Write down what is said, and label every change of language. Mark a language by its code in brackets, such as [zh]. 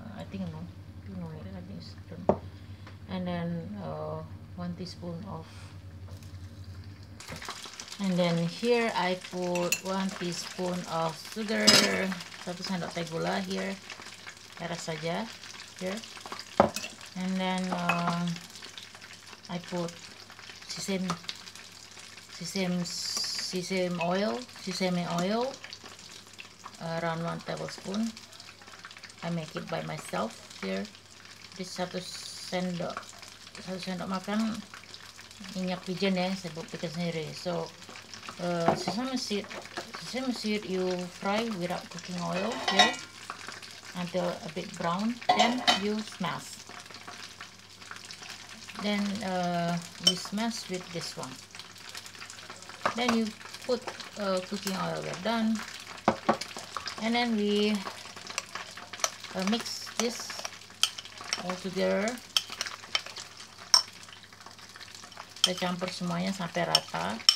[en] I think it's done. And then 1 teaspoon of, and then here I put 1 teaspoon of sugar, 1 [id] sendok teh gula [en] here, [id] garam saja [en] here, and then I put sesame oil around 1 tablespoon. I make it by myself here. [id] This 1 sendok makan minyak wijen ya, saya buat pakai sendiri. [en] So sesame seed you fry without cooking oil here until a bit brown, then you smash, then you smash with this one, then you put cooking oil, we're done, and then we mix this all together, [id] kita campur semuanya sampai rata.